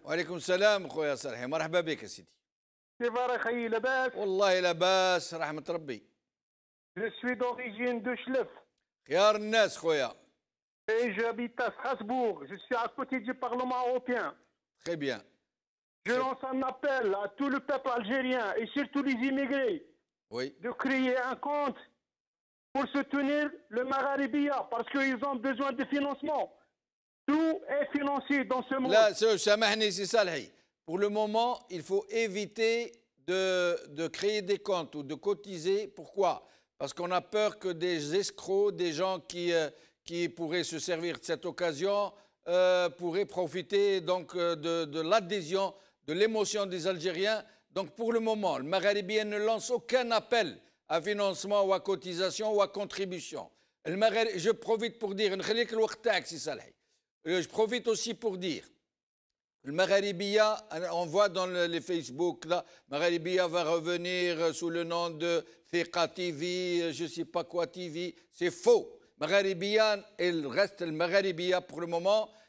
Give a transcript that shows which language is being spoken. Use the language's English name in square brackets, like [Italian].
[Arabic] وعليكم السلام خويا صالحي، مرحبا بك سيدي. كيف راك خيي لاباس؟ والله لاباس رحمة ربي. [French] Je suis d'origine de Chlef. [Arabic] خيار الناس خويا. [French] Et j'habite à Strasbourg. Je suis à côté du Parlement européen. Très bien. Je lance un appel à tout le peuple algérien et surtout les immigrés. Oui. De créer un compte pour soutenir le Magharibia parce qu'ils ont besoin de financement. Tout est financé dans ce monde. [Arabic] Là, سامحني سي صالحي. [French] Pour le moment, il faut éviter de créer des comptes ou de cotiser. Pourquoi? Parce qu'on a peur que des escrocs, des gens qui pourraient se servir de cette occasion, pourraient profiter donc de l'adhésion, de l'émotion des Algériens. Donc pour le moment, le Maghrébien ne lance aucun appel à financement ou à cotisation ou à contribution. Je profite pour dire, [Arabic] نخليك الوقت تاعك سي صالحي. [French] Je profite aussi pour dire que le Magharibia, on voit dans les Facebook, là, Magharibia va revenir sous le nom de Thika TV, je ne sais pas quoi TV. C'est faux. Magharibia, elle reste le Magharibia pour le moment.